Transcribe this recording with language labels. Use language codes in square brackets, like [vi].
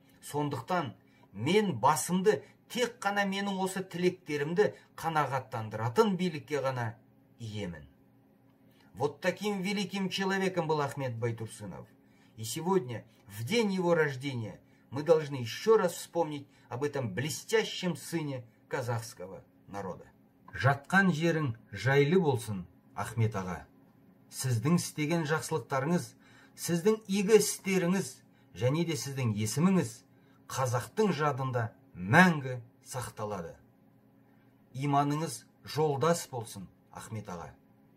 [kk] Сондықтан мен басымды тек қана менің осы тілектерімді қанағаттандыратын билікке ғана иемін». [ru] Вот таким великим человеком был Ахмет Байтурсынов. И сегодня, в день его рождения, мы должны еще раз вспомнить об этом блестящем сыне казахского народа. [kk] Жатқан жерің жайлы болсын, Ахмет аға. Сіздің істеген жақсылықтарыңыз, сіздің игі істеріңіз, және де сіздің есіміңіз қазақтың жадында мәңгі сақталады. Иманыңыз жолдас болсын, Ахмет аға.